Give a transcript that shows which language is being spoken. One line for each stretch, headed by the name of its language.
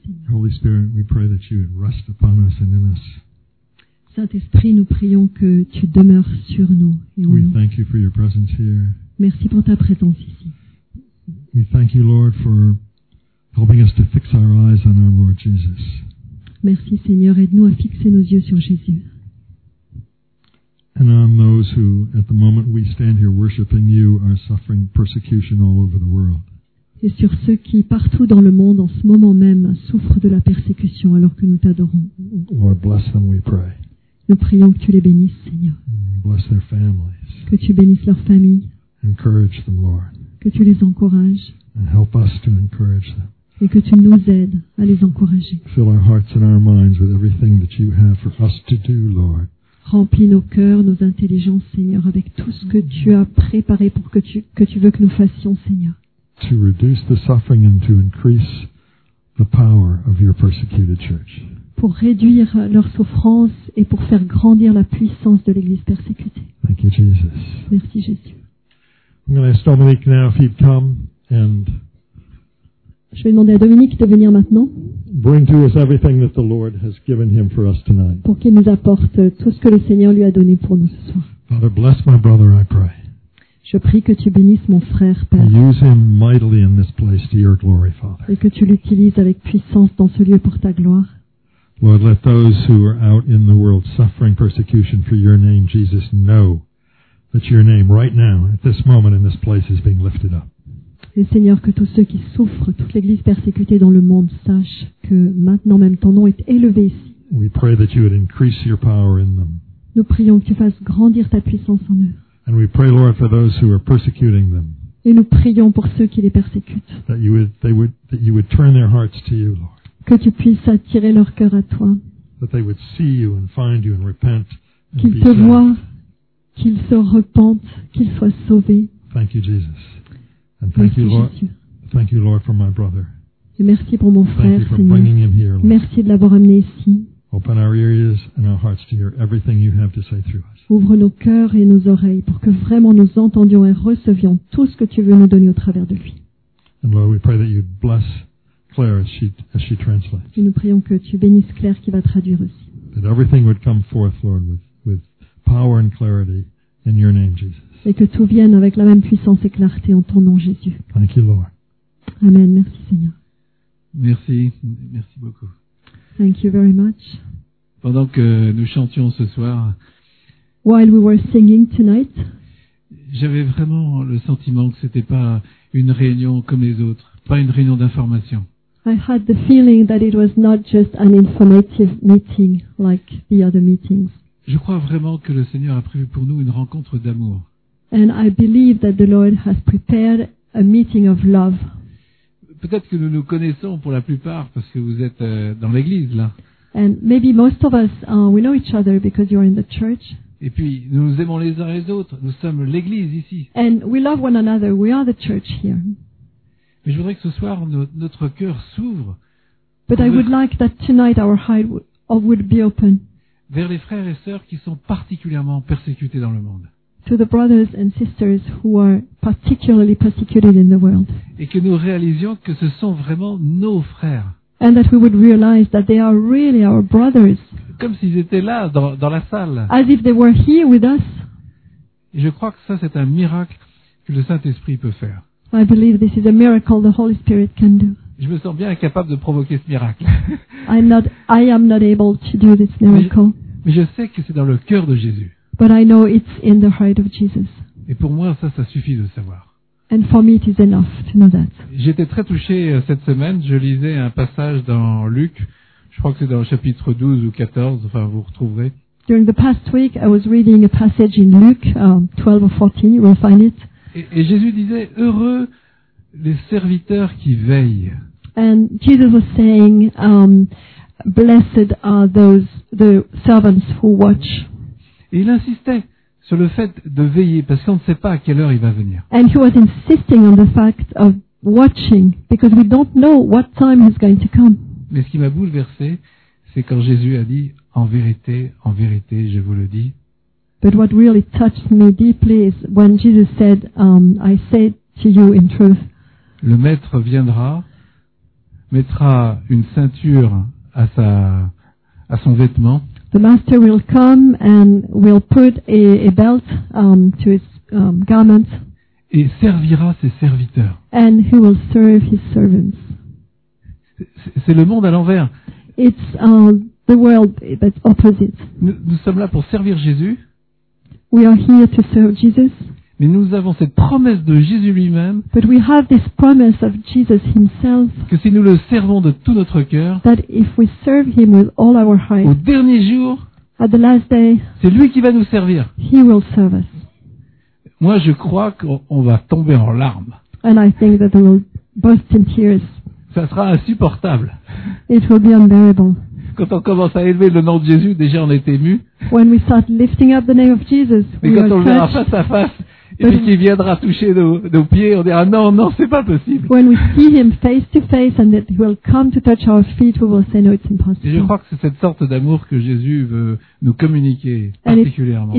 English: Holy Spirit, we pray that you would rest upon us and in us.
French: Saint-Esprit, nous prions que tu demeures sur nous et en
English: we
French: nous.
English: Thank you for your presence here.
French: Merci pour ta présence ici.
English: We thank you, Lord, for helping us to fix our eyes on our Lord Jesus.
French: Merci, Seigneur, aide-nous à fixer nos yeux sur Jésus.
English: And on those who, at the moment we stand here worshiping you, are suffering persecution all over the world.
French: Et sur ceux qui, partout dans le monde, en ce moment même, souffrent de la persécution alors que nous t'adorons.
English: Lord, bless them, we pray.
French: Nous prions que tu les bénisses, Seigneur.
English: Bless their families.
French: Que tu bénisses leur famille.
English: Encourage them, Lord.
French: Que tu les encourages.
English: And help us to encourage them.
French: Et que tu nous aides à les encourager.
English: Fill our hearts and our minds with everything that you have for us to do, Lord.
French: Remplis nos cœurs, nos intelligences, Seigneur, avec tout ce que tu as préparé pour que tu veux que nous fassions, Seigneur.
English: To reduce the suffering and to increase the power of your persecuted church.
French: Pour réduire leur souffrance et pour faire grandir la puissance de l'Église persécutée.
English: Thank you, Jesus.
French: Merci, Jésus.
English: I'm going to ask Dominique now if he'd come and.
French: Je vais demander à Dominique de venir maintenant.
English: Bring to us everything that the Lord has given him for us tonight.
French: Pour qu'il nous apporte tout ce que le Seigneur lui a donné pour nous ce soir.
English: Father, bless my brother, I pray.
French: Je prie que tu bénisses mon frère, Père.
English: Use him mightily in this place to your glory, Father.
French: Et que tu l'utilises avec puissance dans ce lieu pour ta gloire.
English: Lord, let those who are out in the world suffering persecution for your name, Jesus, know that your name right now, at this moment in this place, is being lifted up.
French: Et Seigneur, que tous ceux qui souffrent, toute l'Église persécutée dans le monde, sachent que maintenant même ton nom est élevé ici.
English: We pray that you would increase your power in them.
French: Nous prions que tu fasses grandir ta puissance en eux.
English: And we pray, Lord, for those who are persecuting them.
French: Et nous prions pour ceux qui les persécutent.
English: That you would turn their hearts to you, Lord.
French: Que tu puisses attirer leur cœur à toi.
English: That they would see you and find you and repent and be saved.
French: Qu'ils te voient, qu'ils se repentent, qu'ils soient sauvés.
English: Thank you, Jesus. And thank you, Lord. Jésus. Thank you, Lord, for my brother.
French: Et merci pour mon frère,
English: Seigneur. Thank you for bringing him here, Lord.
French: Merci de l'avoir amené ici.
English: Open our ears and our hearts to hear everything you have to say through us.
French: Ouvre nos cœurs et nos oreilles pour que vraiment nous entendions et recevions tout ce que tu veux nous donner au travers de lui.
English: And Lord, we pray that you bless Claire as she translates.
French: Et nous prions que tu bénisses Claire qui va traduire aussi.
English: That everything would come forth, Lord, with power and clarity in your name, Jesus.
French: Et que tout vienne avec la même puissance et clarté en ton nom, Jésus.
English: Thank you, Lord.
French: Amen. Merci, Seigneur. Merci. Merci beaucoup.
English: Thank you very much.
French: Pendant que nous chantions ce soir,
English: while we were singing tonight,
French: j'avais vraiment le sentiment que c'était pas une réunion comme les autres, pas une réunion d'information.
English: I had the feeling that it was not just an informative meeting like the other meetings.
French: Je crois vraiment que le Seigneur a prévu pour nous une rencontre d'amour.
English: And I believe that the Lord has prepared a meeting of love.
French: Peut-être que nous nous connaissons pour la plupart parce que vous êtes dans l'église là.
English: And maybe most of us we know each other because you're in the church.
French: Et puis nous nous aimons les uns les autres. Nous sommes l'église ici.
English: And we love one another. We are the church here.
French: Mais je voudrais que ce soir notre cœur s'ouvre.
English: But I would like that tonight our heart would be open.
French: Vers les frères et sœurs qui sont particulièrement persécutés dans le monde.
English: To the brothers and sisters who are particularly persecuted in the world.
French: Et que nous réalisions que ce sont vraiment nos frères.
English: And that we would realize that they are really our brothers.
French: Comme s'ils étaient là dans la salle.
English: As if they were here with us.
French: Et je crois que ça c'est un miracle que le Saint-Esprit peut faire.
English: I believe this is a miracle the Holy Spirit can do.
French: Je me sens bien incapable de provoquer ce miracle.
English: I am not able to do this miracle.
French: Mais je sais que c'est dans le cœur de Jésus.
English: But I know it's in the heart of Jesus.
French: Et pour moi, ça suffit de savoir.
English: And for me, it is enough to know that.
French: J'étais très touché cette semaine. Je lisais un passage dans Luc. Je crois que c'est dans le chapitre 12 ou 14. Enfin, vous retrouverez.
English: During the past week, I was reading a passage in Luke 12 or 14. You will find it.
French: Et Jésus disait, heureux les serviteurs qui veillent.
English: And Jesus was saying, blessed are the servants who watch.
French: Et il insistait sur le fait de veiller parce qu'on ne sait pas à quelle heure il va venir.
English: And he was insisting on the fact of watching because we don't know what time he's going to come.
French: Mais ce qui m'a bouleversé, c'est quand Jésus a dit en vérité, je vous le dis.
English: But what really touched me deeply is when Jesus said, I say to you in truth.
French: Le maître viendra, mettra une ceinture à sa à son vêtement.
English: The master will come and will put a belt to his garment.
French: Et servira ses serviteurs.
English: And he will serve his servants.
French: C'est le monde à l'envers.
English: It's the world that's opposite.
French: Nous sommes là pour servir Jésus.
English: We are here to serve Jesus.
French: Mais nous avons cette promesse de Jésus lui-même.
English: But we have this promise of Jesus himself.
French: Que si nous le servons de tout notre cœur.
English: That if we serve him with all our heart.
French: Au dernier jour.
English: At the last day.
French: C'est lui qui va nous servir.
English: He will serve us.
French: Moi, je crois qu'on va tomber en larmes.
English: And I think that we will burst in tears.
French: Ça sera insupportable.
English: It will be unbearable.
French: Quand on commence à élever le nom de Jésus, déjà on est ému.
English: When we start lifting up the name of Jesus,
French: mais quand on le verra face à face, et puis qu'il viendra toucher nos pieds, on dira non, non, c'est pas possible.
English: When we see him face to face and that he will come to touch our feet, we will say no, it's impossible.
French: Et je crois que c'est cette sorte d'amour que Jésus veut nous communiquer particulièrement.